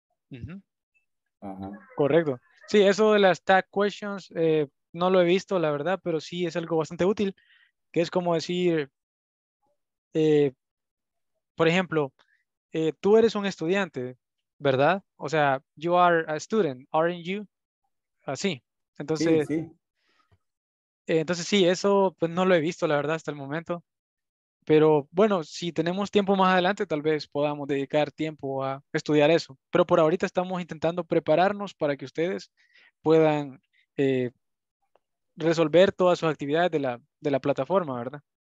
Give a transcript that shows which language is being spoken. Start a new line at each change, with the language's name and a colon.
Spanish: Uh-huh. Ajá. Correcto. Sí, eso de las tag questions. No lo he visto, la verdad, pero sí es algo bastante útil, que es como decir, por ejemplo, tú eres un estudiante, ¿verdad? O sea,
English: you are a student, aren't you?
Spanish: Así. Entonces, sí. Entonces, sí, eso pues, no lo he visto, la verdad, hasta el momento. Pero bueno, si tenemos tiempo más adelante, tal vez podamos dedicar tiempo a estudiar eso. Pero por ahorita estamos intentando prepararnos para que ustedes puedan resolver todas sus actividades de la plataforma, ¿verdad?